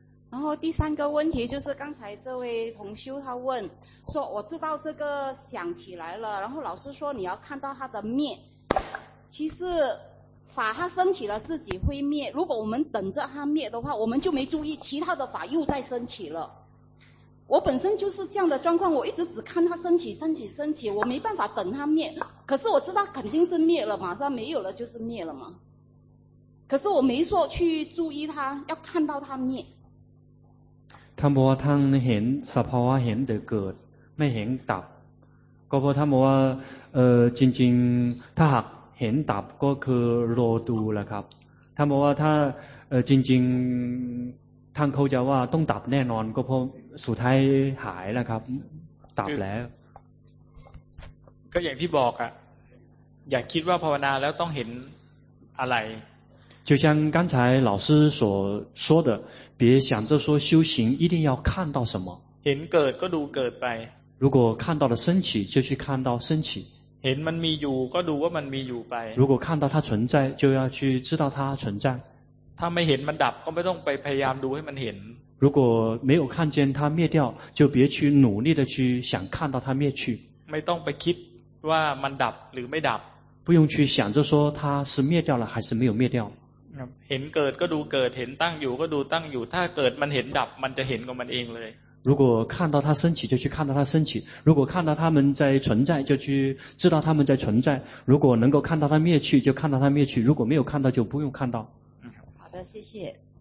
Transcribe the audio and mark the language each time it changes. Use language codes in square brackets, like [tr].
[zh] 然后第三个问题就是刚才这位同修他问说我知道这个想起来了然后老师说你要看到他的灭其实法它升起了自己会灭如果我们等着它灭的话我们就没注意其他的法又再升起了我本身就是这样的状况我一直只看它升起升起升起我没办法等它灭可是我知道肯定是灭了马上没有了就是灭了嘛可是我没说去注意它要看到它灭 [th] ท่านบอกว่าท่านเห็นสภาวะเห็นแต่เกิดไม่เห็นดับก็เพราะท่านบอกว่าจริงๆถ้าหากเห็นดับก็คือรอดูแหละครับท่านบอกว่าถ้าจริงๆท่านเขาจะว่าต้องดับแน่นอนก็เพราะสุดท้ายหายแล้วครับดับแล้ว ก็อย่างที่บอกอะอย่าคิดว่าภาวนาแล้วต้องเห็นอะไร [zh] 就像刚才老师所说的别想着说修行一定要看到什么 [th] เห็นเกิดก็ดูเกิดไป [zh] 如果看到了升起就去看到升起 [th] เห็นมันมีอยู่ก็ดูว่ามันมีอยู่ไป [zh] 如果看到它存在就要去知道它存在 [th] ถ้าไม่เห็นมันดับก็ไม่ต้องไปพยายามดูให้มันเห็น [zh] 如果没有看见它灭掉就别去努力的去想看到它灭去 [th] ไม่ต้องไปคิดว่ามันดับหรือไม่ดับ [zh] 不用去想着说它是灭掉了还是没有灭掉 [th] เห็นเกิดก็ดูเกิดเห็นตั้งอยู่ก็ดูตั้งอยู่ถ้าเกิดมันเห็นดับมันจะเห็นของมันเองเลย [zh] 如果看到它升起就去看到它升起如果看到它们在存在就去知道它们在存在如果能够看到它灭去就看到它灭去如果没有看到就不用看到好的，谢谢。